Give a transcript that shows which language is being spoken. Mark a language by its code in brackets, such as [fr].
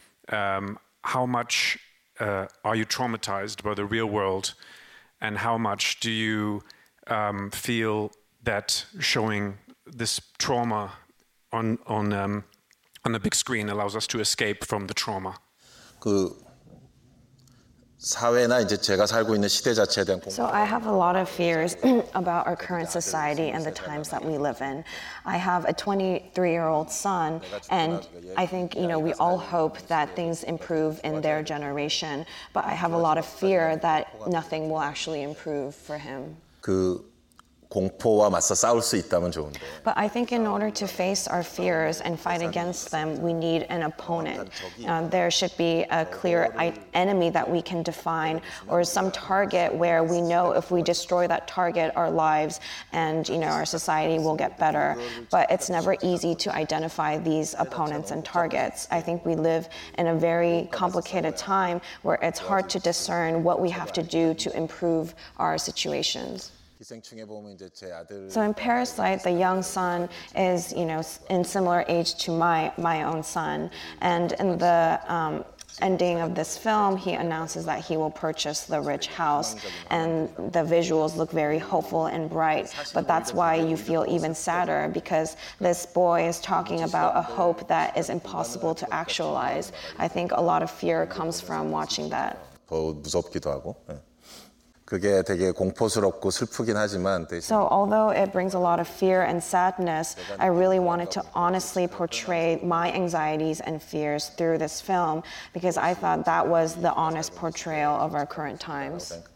[en] How much are you traumatized by the real world? And how much do you feel that showing this trauma on the big screen allows us to escape from the trauma. [ko] 그 사회나 이제 제가 살고 있는 시대 자체에 대한 공포. [en] So I have a lot of fears about our current society and the times that we live in. I have a 23-year-old son, and I think, you know, we all hope that things improve in their generation, but I have a lot of fear that nothing will actually improve for him. [ko] 그 공포와 맞서 싸울 수 있다면 좋은데. [en] But I think in order to face our fears and fight against them, we need an opponent. There should be a clear enemy that we can define, or some target where we know if we destroy that target, our lives and, you know, our society will get better. But it's never easy to identify these opponents and targets. I think we live in a very complicated time where it's hard to discern what we have to do to improve our situations. So in Parasite, the young son is, you know, in similar age to my own son. And in the ending of this film, he announces that he will purchase the rich house, and the visuals look very hopeful and bright. But that's why you feel even sadder, because this boy is talking about a hope that is impossible to actualize. I think a lot of fear comes from watching that. [ko] 무섭기도 하고. 그게 되게 공포스럽고 슬프긴 하지만 [en] So although it brings a lot of fear and sadness, I really wanted to honestly portray my anxieties and fears through this film because I thought that was the honest portrayal of our current times.